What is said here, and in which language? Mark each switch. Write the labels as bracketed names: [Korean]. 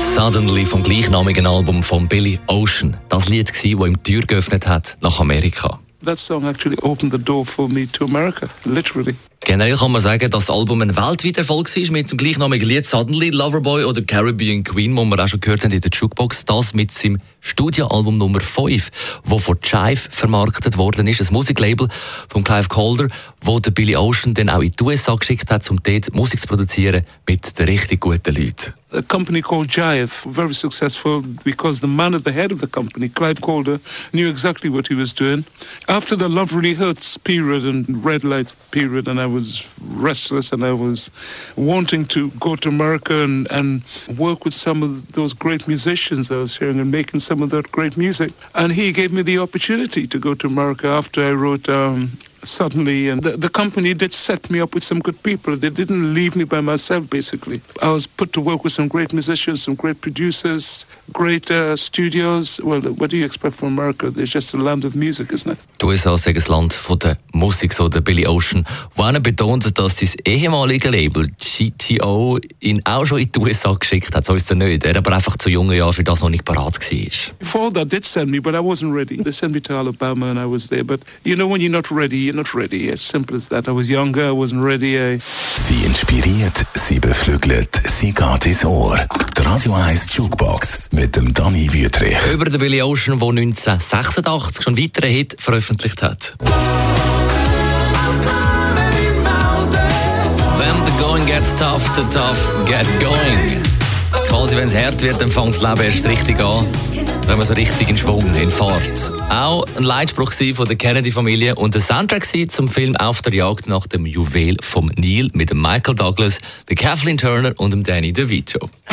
[German] Suddenly vom gleichnamigen Album von Billy Ocean. Das Lied war, das ihm die Tür geöffnet hat nach Amerika. [English] That song actually opened the door for me to America, literally. [German] Generell kann man sagen, dass das Album ein weltweiter Erfolg war mit dem gleichnamigen Lied Suddenly, Loverboy oder Caribbean Queen, wo wir auch schon gehört haben in der Jukebox, das mit seinem Studioalbum Nummer 5, das von Jive vermarktet worden ist, ein Musiklabel von Clive Calder, wo der Billy Ocean dann auch in die USA geschickt hat, um dort Musik zu produzieren mit den richtig guten Leuten. [English] A company called Jive, very successful, because the man at the head of the company, Clive Calder, knew exactly what he was doing. After the Love Really Hurts period and Red Light period and I was restless and I was wanting to go to America and work with some of those great musicians I was hearing and making some of that great music. And he gave me the opportunity to go to America after I wrote Suddenly, and the company did set me up with some good people. They didn't leave me by myself, basically. I was put to work with some great musicians, some great producers, great studios. Well, what do you expect from America? It's just a land of music, isn't it? [German] Du USA sei das Land von der Musik, so der Billy Ocean, wo einer betont, dass sein ehemaliger Label GTO ihn auch schon in die USA geschickt hat. So ist er nicht. Er aber einfach zu jungen Jahren für das noch nicht parat war. [English] Before that, did send me, but I wasn't ready. They sent me to Alabama and I was there. But you know when you're not ready, you're not ready. As simple as that. I was younger, I wasn't ready. [German] Sie inspiriert, sie beflügelt, sie geht ins Ohr. Die Radio 1 Jukebox mit dem Danny Wüthrich. Über den Billy Ocean, der 1986 schon weitere Hit veröffentlicht hat. [English] When the going gets tough, the tough get going. [German] Quasi, wenn es hart wird, dann fängt das Leben erst richtig an. Wenn man so richtig in Schwung, in Fahrt. Auch ein Leitspruch von der Kennedy-Familie und ein Soundtrack zum Film «Auf der Jagd nach dem Juwel vom Nil» mit dem Michael Douglas, der Kathleen Turner und dem Danny DeVito.